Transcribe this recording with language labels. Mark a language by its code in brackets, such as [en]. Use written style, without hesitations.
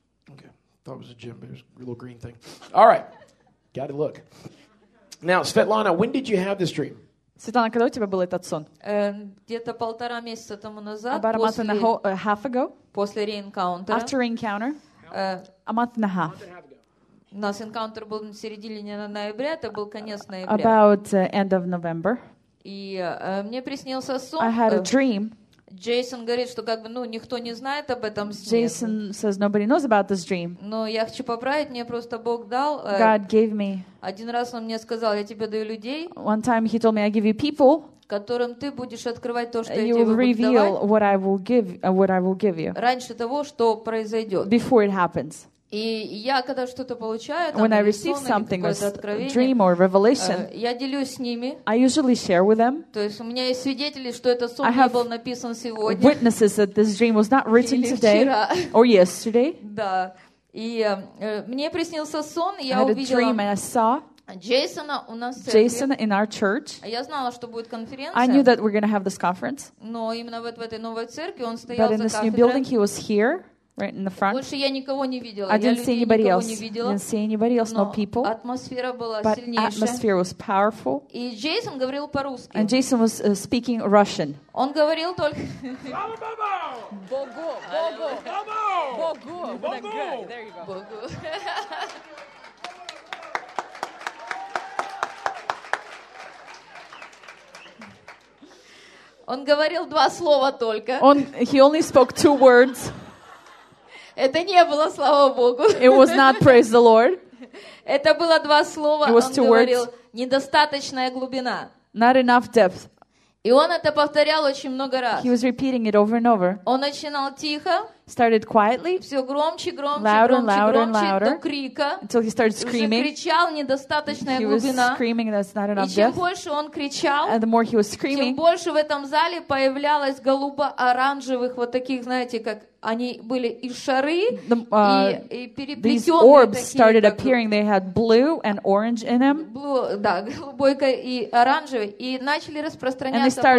[en] Okay, thought it was a gym, but it was a little green thing. All right, got to look. Now, Svetlana, when did you have this dream? [ru] Светлана, когда у тебя был этот сон? Где-то полтора месяца тому назад. [en] About a month and a half ago. [ru] После реинкаунтера. [en] After encounter. A month and a half. [ru] У нас энкаунтер был в середине ноября, это был конец ноября. [en] About end of November. [ru] И мне приснился сон. [en] I had a dream. [ru] Джейсон говорит, что как бы, ну, никто не знает об этом сне. [en] Jason says nobody knows about this dream. [ru] Но я хочу поправить, мне просто Бог дал. [en] God gave me. [ru] Один раз он мне сказал, я тебе даю людей. [en] One time he told me, I give you people. [ru] Которым ты будешь открывать то, что [en] you [ru] я тебе буду давать. [en] You reveal what I will give, what I will give you. [ru] Раньше того, что произойдет. [en] Before it happens. [ru] И я когда что-то получаю, [en] when I receive something, a dream or revelation, [ru] я делюсь с ними. [en] I usually share with them. [ru] То есть у меня есть свидетели, что этот сон не был написан сегодня. [en] Witnesses that this dream was not written today or yesterday. [ru] Да. И мне приснился сон, я увидела [en] dream and I saw [ru] Джейсона у нас [en] Jason in our church. [ru] Я знала, что будет конференция. [en] I knew that we're going to have this conference. [ru] Но именно в этой новой церкви он стоял за кафедрой. [en] But in this new building he was here. Right in the front. [ru] Больше я никого не видела. [en] I didn't see anybody else. [ru] Но [en] no people. [ru] Атмосфера была сильнейшая. [en] But atmosphere was powerful. [ru] И Джейсон говорил по-русски. [en] And Jason was speaking Russian. [ru] Он говорил только. Богу, Богу, Богу, Богу. Богу. Он говорил два слова только. [en] He only spoke two words. [ru] Это не было, слава Богу. [en] It was not, praise the Lord. [ru] Это было два слова, [en] it was two [ru] он говорил, [en] words. [ru] Недостаточная глубина. [en] Not enough depth. [ru] И он это повторял очень много раз. [en] He was repeating it over and over. [ru] Он начинал тихо. [en] Started quietly. [ru] Все громче, громче, [en] louder, [ru] громче, [en] louder, [ru] громче, [en] louder, [ru] до крика. [en] Until he started screaming. [ru] Уже кричал, недостаточная [en] he [ru] глубина. [en] Was screaming, that's not enough [ru] и чем [en] depth. [ru] Больше он кричал, [en] and the more he was screaming, [ru] тем больше в этом зале появлялось голубо-оранжевых вот таких, знаете, как они были и шары, и переплетенные такие. [en] These orbs started appearing. They had blue and orange in them. [ru] Blue, да, голубой и оранжевый. И начали распространяться по залу.